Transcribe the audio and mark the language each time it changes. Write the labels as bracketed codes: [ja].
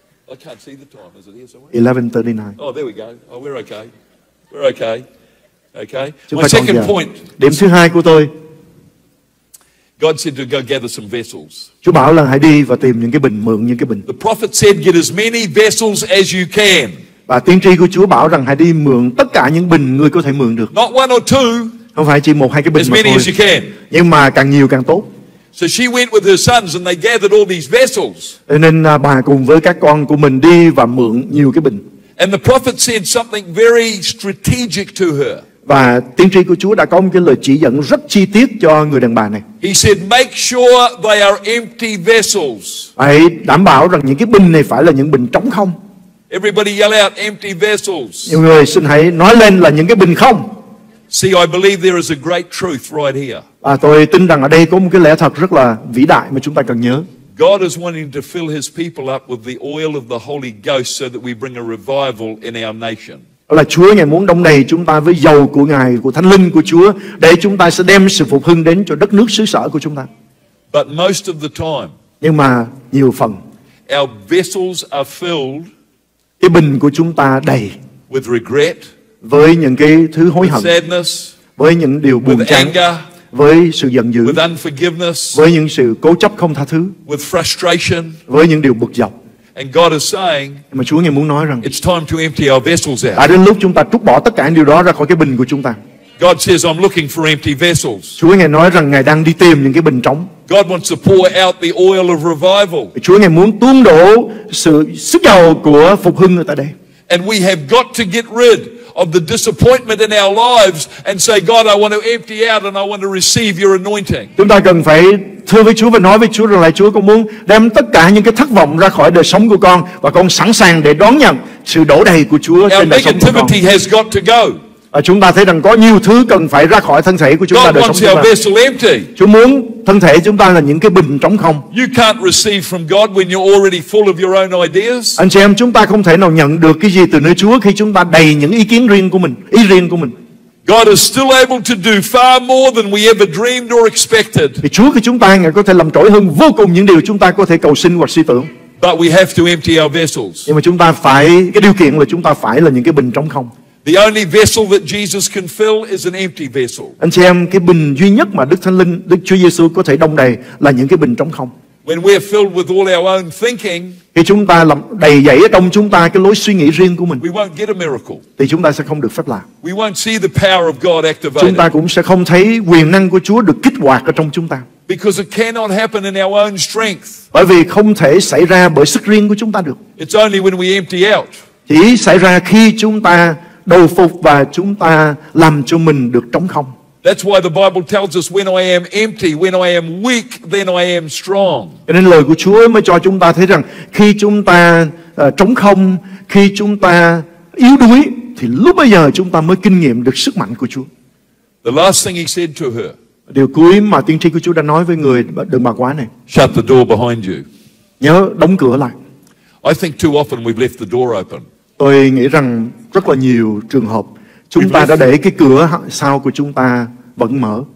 [en] I can't see the time, is it here somewhere? 11:39. Oh, there we go. Oh, we're okay. We're okay. Okay. Chúng my second point. [vi] Điểm thứ hai của tôi. [en] God said to go gather some vessels. [vi] Chúa bảo là hãy đi và tìm những cái bình, mượn những cái bình. [en] The prophet said, get as many vessels as you can. [vi] Và tiên tri của Chúa bảo rằng hãy đi mượn tất cả những bình người có thể mượn được. [en] Not one or two. [vi] Không phải chỉ một hai cái bình [en] as mà many [vi] thôi. [en] As you can. [vi] Nhưng mà càng nhiều càng tốt. [en] So she went with her sons and they gathered all these vessels. [vi] Nên bà cùng với các con của mình đi và mượn nhiều cái bình. [en] And the prophet said something very strategic to her. [vi] Và tiên tri của Chúa đã có một cái lời chỉ dẫn rất chi tiết cho người đàn bà này. [en] He said, make sure they are empty vessels. [vi] Hãy đảm bảo rằng những cái bình này phải là những bình trống không. [en] Everybody yell out, empty vessels. [vi] Nhiều người xin hãy nói lên là những cái bình không. [en] See, I believe there is a great truth right here. [vi] À, tôi tin rằng ở đây có một cái lẽ thật rất là vĩ đại mà chúng ta cần nhớ. [en] God is wanting to fill his people up with the oil of the Holy Ghost so that we bring a revival in our nation. [vi] Là Chúa ngài muốn đông đầy chúng ta với dầu của ngài, của thánh linh của Chúa, để chúng ta sẽ đem sự phục hưng đến cho đất nước xứ sở của chúng ta. [en] But most of the time, [vi] nhưng mà nhiều phần, [en] our vessels are filled, [vi] cái bình của chúng ta đầy [en] with regret, [vi] với những cái thứ hối hận, [en] sadness, [vi] với những điều buồn chán, [en] anger, [vi] với sự giận dữ, [en] with unforgiveness, [vi] với những sự cố chấp không tha thứ, [en] with frustration, [vi] với những điều bực dọc. [en] And God is saying, [vi] mà Chúa ngài muốn nói rằng, [en] it's time to empty our vessels out. [vi] Đã đến lúc chúng ta trút bỏ tất cả những điều đó ra khỏi cái bình của chúng ta. [en] God says, I'm looking for empty vessels. [vi] Chúa ngài nói rằng ngài đang đi tìm những cái bình trống. [en] God wants to pour out the oil of revival. [vi] Chúa ngài muốn tuôn đổ sự sức dầu của phục hưng ở tại đây. [en] And we have got to get rid of the disappointment in our lives and say, God, I want to empty out and I want to receive your anointing. [vi] Chúng ta cần phải thưa với Chúa và nói với Chúa rằng là Chúa con muốn đem tất cả những cái thất vọng ra khỏi đời sống của con và con sẵn sàng để đón nhận sự đổ đầy của Chúa trên đời sống của con. [en] Has got to go. [vi] Và chúng ta thấy rằng có nhiều thứ cần phải ra khỏi thân thể của chúng ta, đời sống của chúng ta. Chúa muốn thân thể chúng ta là những cái bình trống không. [en] You can't receive from God when you're already full of your own ideas. [vi] Anh chị em, chúng ta không thể nào nhận được cái gì từ nơi Chúa khi chúng ta đầy những ý kiến riêng của mình, ý riêng của mình. [en] God is still able to do far more than we ever dreamed or expected. [vi] Thì Chúa của chúng ta ngài có thể làm trỗi hơn vô cùng những điều chúng ta có thể cầu xin hoặc suy tưởng. [en] But we have to empty our vessels. [vi] Nhưng mà chúng ta phải, cái điều kiện là chúng ta phải là những cái bình trống không. [en] The only vessel that Jesus can fill is an empty vessel. [vi] Anh chị em, cái bình duy nhất mà Đức Thánh Linh, Đức Chúa Giêsu có thể đông đầy là những cái bình trống không. [en] When we are filled with all our own thinking, [vi] khi chúng ta làm đầy dẫy trong chúng ta cái lối suy nghĩ riêng của mình, [en] we won't get a miracle. [vi] Thì chúng ta sẽ không được phép lạ. [en] We won't see the power of God activated. [vi] Chúng ta cũng sẽ không thấy quyền năng của Chúa được kích hoạt ở trong chúng ta. [en] Because it cannot happen in our own strength. [vi] Bởi vì không thể xảy ra bởi sức riêng của chúng ta được. [en] It's only when we empty out. [vi] Chỉ xảy ra khi chúng ta đầu phục và chúng ta làm cho mình được trống không. [en] That's why the Bible tells us when I am empty, when I am weak, then I am strong. [vi] Nên lời của Chúa mới cho chúng ta thấy rằng khi chúng ta trống không, khi chúng ta yếu đuối thì lúc bây giờ chúng ta mới kinh nghiệm được sức mạnh của Chúa. [en] The last thing he said to her. [vi] Điều cuối mà tiên tri của Chúa đã nói với người đừng bà quá này. [en] Shut the door behind you. [vi] Nhớ đóng cửa lại. [en] I think too often we've left the door open. [vi] Tôi nghĩ rằng rất là nhiều trường hợp chúng ta đã để cái cửa sau của chúng ta vẫn mở.